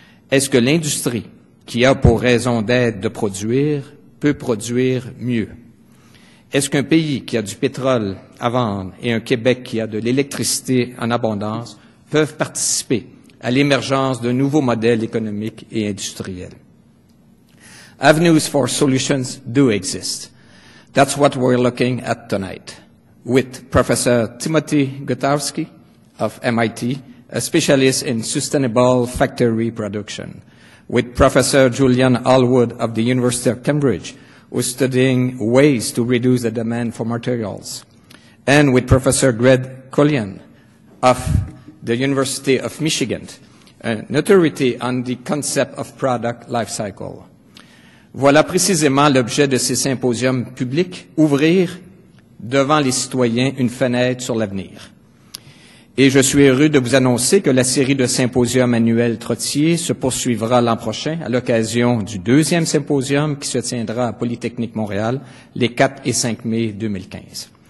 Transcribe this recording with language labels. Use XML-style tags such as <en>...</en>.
<fr>Est-ce que l'industrie, qui a pour raison d'être de produire, peut produire mieux? Est-ce qu'un pays qui a du pétrole à vendre et un Québec qui a de l'électricité en abondance peuvent participer à l'émergence de nouveaux modèles économiques et industriels?</fr> <en>Avenues for solutions do exist. That's what we're looking at tonight, with Professor Timothy Gutowski of MIT, a specialist in sustainable factory production, with Professor Julian Allwood of the University of Cambridge, who's studying ways to reduce the demand for materials, and with Professor Greg Cullion of the University of Michigan, an authority on the concept of product life cycle.</en> <fr>Voilà précisément l'objet de ces symposiums publics, ouvrir devant les citoyens une fenêtre sur l'avenir. Et je suis heureux de vous annoncer que la série de symposiums annuels Trottier se poursuivra l'an prochain à l'occasion du deuxième symposium qui se tiendra à Polytechnique Montréal les 4 et 5 mai 2015.</fr>